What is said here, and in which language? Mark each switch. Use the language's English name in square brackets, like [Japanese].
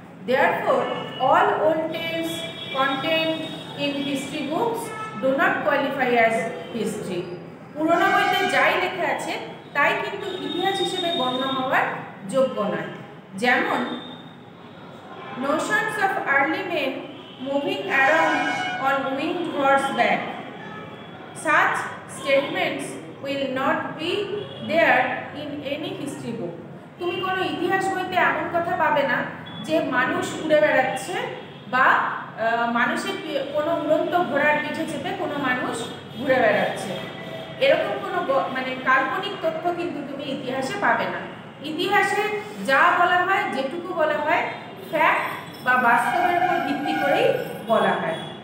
[English] Therefore all old tales content in history books do not qualify as history. [Bangla] পুরোনো বইতে যাই লেখা আছে তাই কিন্তু ইতিহাস হিসেবে গণ্য হওয়ার যোগ্য নয়। যেমন [English] Notions of early men moving around on winged horse back. Such statements will not be there in any history book. [Bangla] তুমি কোনো ইতিহাস বইতে এমন কথা পাবে না যে মানুষ উড়ে বেড়াচ্ছে বা মানুষের কোনো উড়ন্ত ঘোড়ার পিছে চেপে কোনো মানুষ ঘুরে বেড়াচ্ছে, এরকম কোনো মানে কাল্পনিক তথ্য কিন্তু তুমি ইতিহাসে পাবে না। ইতিহাসে যা বলা হয়, যেটুকু বলা হয়, ফ্যাক্ট বা বাস্তবের উপর ভিত্তি করেই বলা হয়।